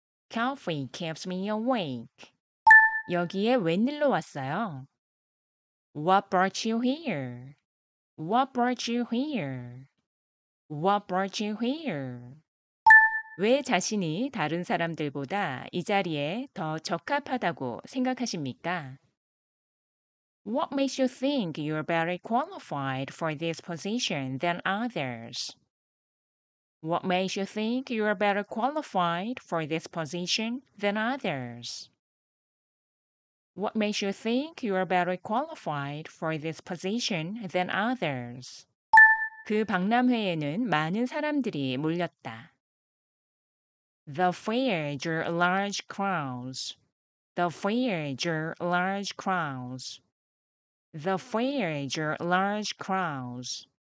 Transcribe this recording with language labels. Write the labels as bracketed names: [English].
[English] Coffee keeps me awake. [Korean] 여기에 웬 일로 왔어요? [English] What brought you here? What brought you here? What brought you here? [Korean] 왜 자신이 다른 사람들보다 이 자리에 더 적합하다고 생각하십니까? [English] What makes you think you're better qualified for this position than others? What makes you think you're better qualified for this position than others? What makes you think you're better qualified for this position than others? [Korean] 그 박람회에는 많은 사람들이 몰렸다. [English] The fair drew large crowds. The fair drew large crowds. The fair drew large crowds.